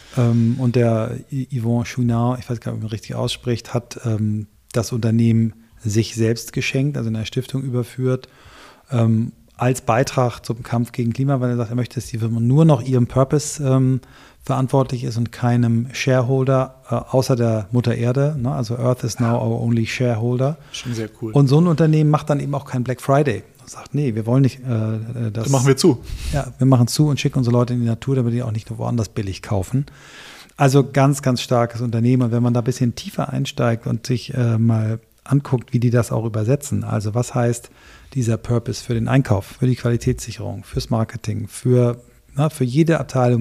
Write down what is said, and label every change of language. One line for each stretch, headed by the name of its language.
German: Und der Yvon Chouinard, ich weiß gar nicht, ob man richtig ausspricht, hat das Unternehmen sich selbst geschenkt, also in einer Stiftung überführt, als Beitrag zum Kampf gegen Klimawandel. Er sagt, er möchte, dass die Firma nur noch ihrem Purpose verantwortlich ist und keinem Shareholder, außer der Mutter Erde. Ne?
English: Also Earth is now our only shareholder.
German: Schon sehr cool. Und so ein Unternehmen macht dann eben auch keinen Black Friday. Und sagt, nee, wir wollen nicht das. Das machen wir zu. Ja, wir machen zu und schicken unsere Leute in die Natur, damit die auch nicht nur woanders billig kaufen. Also ganz, ganz starkes Unternehmen. Und wenn man da ein bisschen tiefer einsteigt und sich mal anguckt, wie die das auch übersetzen. Also was heißt dieser Purpose für den Einkauf, für die Qualitätssicherung, fürs Marketing, für jede Abteilung.